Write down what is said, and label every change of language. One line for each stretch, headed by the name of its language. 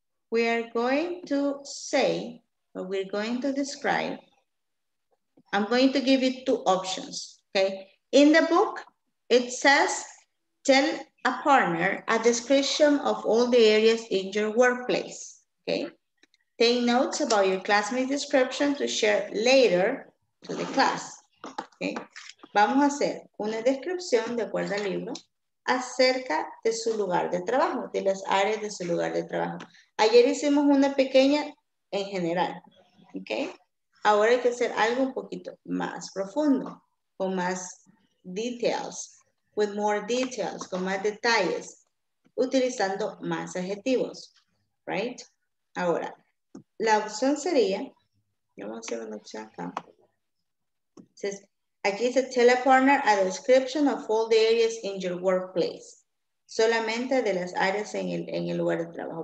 English: We are going to say, or we're going to describe, I'm going to give you two options, okay? In the book, it says, tell a partner a description of all the areas in your workplace, okay? Take notes about your classmate's description to share later to the class, okay?
Spanish: Vamos a hacer una descripción de acuerdo al libro acerca de su lugar de trabajo, de las áreas de su lugar de trabajo. Ayer hicimos una pequeña en general, ¿ok? Ahora hay que hacer algo un poquito más profundo, con más
English: details, with more details,
Spanish: con más detalles, utilizando más adjetivos, right? Ahora, la opción sería, vamos a hacer una opción acá. Aquí dice,
English: tell a partner a description of all the areas in your workplace.
Spanish: Solamente de las áreas en el lugar de trabajo.